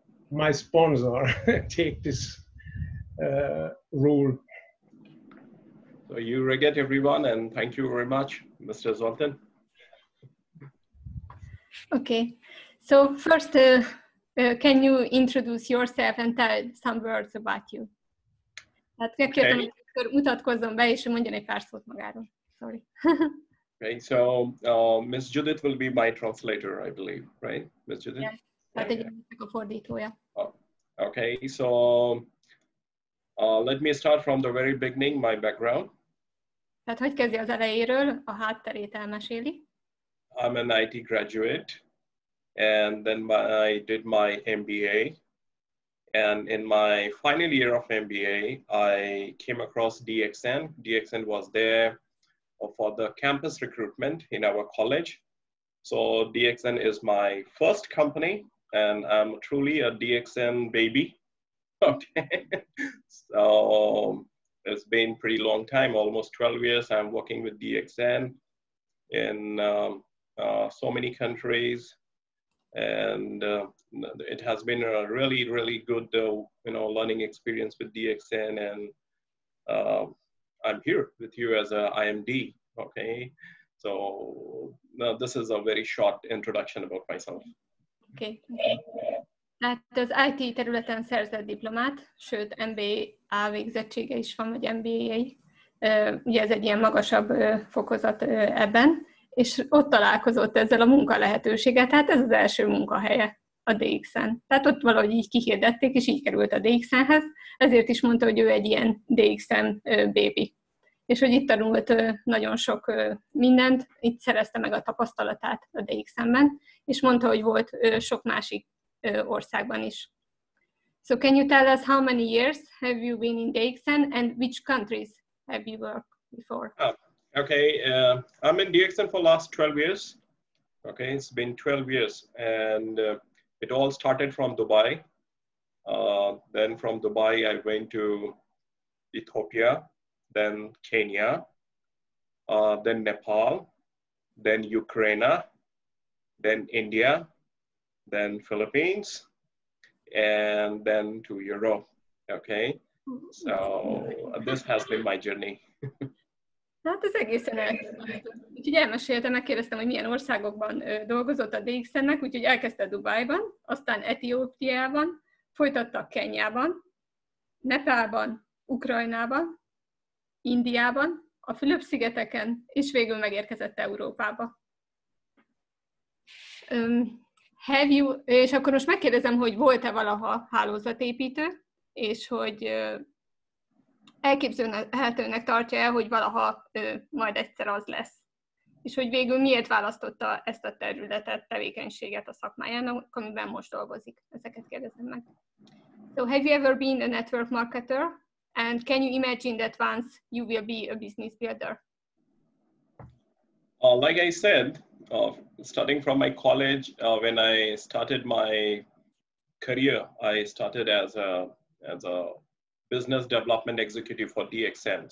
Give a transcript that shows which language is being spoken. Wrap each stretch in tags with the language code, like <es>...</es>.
<en>My sponsor take this rule. So you regret everyone and thank you very much, Mr. Zoltan. Okay, so first, can you introduce yourself and tell some words about you?</en> <hu>Hát megkérdem, akkor mutatkozzon be, és mondjon egy pár szót magáról.</hu> <en>Sorry. Okay, so Miss Judith will be my translator, I believe, right? Miss Judith?</en> <hu>Yeah, hát egyébként a fordítója.</hu> <en>Okay, so let me start from the very beginning, my background.</en> <hu>Tehát hogy kezdi az elejéről, a hátterét elmeséli.</hu> <en>I'm an IT graduate, and then I did my MBA. And in my final year of MBA, I came across DXN. DXN was there for the campus recruitment in our college. So DXN is my first company, and I'm truly a DXN baby. Okay. So it's been pretty long time, almost 12 years. I'm working with DXN in so many countries, and it has been a really, really good, learning experience with DXN, and I'm here with you as a IMD. Okay, so now this is a very short introduction about myself. Okay.</en> <hu>Hát az IT területen szerzett diplomát, sőt MBA végzettsége is van, vagy MBA. Ugye ez egy ilyen magasabb fokozat ebben. És ott találkozott ezzel a munkalehetőséget, tehát ez az első munkahelye a DXN. Tehát ott valahogy így kihirdették, és így került a DXN-hez, ezért is mondta, hogy ő egy ilyen DXN baby. És hogy itt tanult nagyon sok mindent, itt szerezte meg a tapasztalatát a DXN-ben, és mondta, hogy volt sok másik országban is.</hu> <en>So can you tell us how many years have you been in DXN, and which countries have you worked before? Okay, I'm in DXN for last 12 years. Okay, it's been 12 years, and it all started from Dubai. Then from Dubai, I went to Ethiopia, then Kenya, then Nepal, then Ukraine, then India, then Philippines, and then to Europe. Okay, so this has been my journey.</en> <hu>Hát ez egészen elképesztő. Úgyhogy elmeséltem, megkérdeztem, hogy milyen országokban dolgozott a DXN-nek, úgyhogy elkezdte Dubajban, aztán Etiópiában, folytatta Kenyában, Nepálban, Ukrajnában, Indiában, a Fülöp-szigeteken, és végül megérkezett Európába.</hu> <en>Have you,</en> <hu>és akkor most megkérdezem, hogy volt-e valaha hálózatépítő, és hogy... elképzelhetőnek tartja el, hogy valaha majd egyszer az lesz. És hogy végül miért választotta ezt a területet, tevékenységet a szakmájának, amiben most dolgozik. Ezeket kérdezem meg.</hu> <en>So have you ever been a network marketer? And can you imagine that once you will be a business builder? Like I said, starting from my college, when I started my career, I started as a business development executive for DXN.</en>